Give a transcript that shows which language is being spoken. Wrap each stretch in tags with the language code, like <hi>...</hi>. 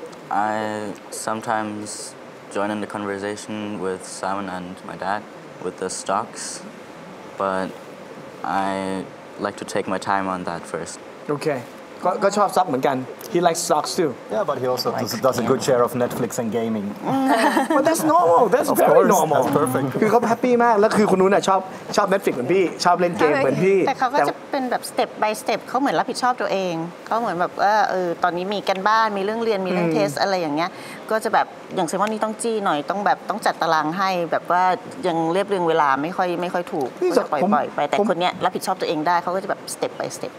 <en>I sometimes join in the conversation with Simon and my dad with the stocks, but I like to take my time on that first. Okay.</en> <th>ก็ชอบซับเหมือนกัน</th> <en>he likes stocks too yeah but he also does a good share of Netflix and gaming but that's normal that's very normal that's perfect</en> <th>คือเขาแฮปปี้มากแล้วคือคนนู้นน่ะชอบ Netflix เหมือนพี่ชอบเล่นเกมเหมือนพี่แต่เขาก็จะเป็นแบบ</th> <en>step by step</en> <th>เขาเหมือนรับผิดชอบตัวเองเขาเหมือนแบบว่าตอนนี้มีการบ้านมีเรื่องเรียนมีเรื่องเทสอะไรอย่างเงี้ยก็จะแบบอย่างเช่นว่านี่ต้องจี้หน่อยต้องแบบต้องจัดตารางให้แบบว่ายังเรียบเรียงเวลาไม่ค่อยถูกปล่อยไปแต่คนเนี้ยรับผิดชอบตัวเองได้เขาก็จะแบบ step by step</th>